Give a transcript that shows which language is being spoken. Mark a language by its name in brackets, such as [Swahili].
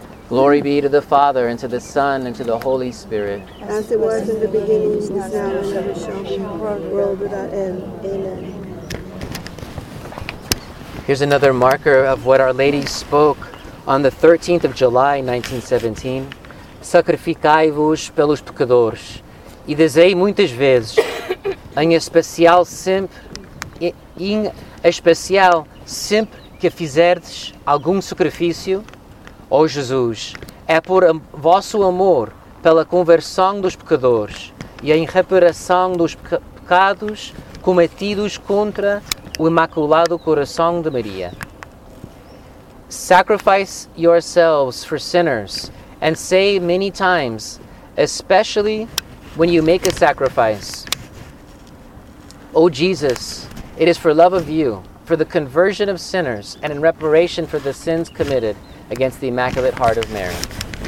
[English] Glory be to the Father, and to the Son, and to the Holy Spirit. As it was in the beginning, is now, and ever shall be, world without end. Amen. Here's another marker of what Our Lady spoke on the 13th of July, 1917. [Portuguese] Sacrificai-vos pelos pecadores, e dizei muitas vezes, em especial sempre que fizerdes algum sacrifício, ó Jesus, é por vosso amor pela conversão dos pecadores e em reparação dos pecados cometidos contra o Imaculado Coração de Maria. [English] Sacrifice yourselves for sinners, and say many times, especially when you make a sacrifice, O Jesus, it is for love of you, for the conversion of sinners, and in reparation for the sins committed against the Immaculate Heart of Mary.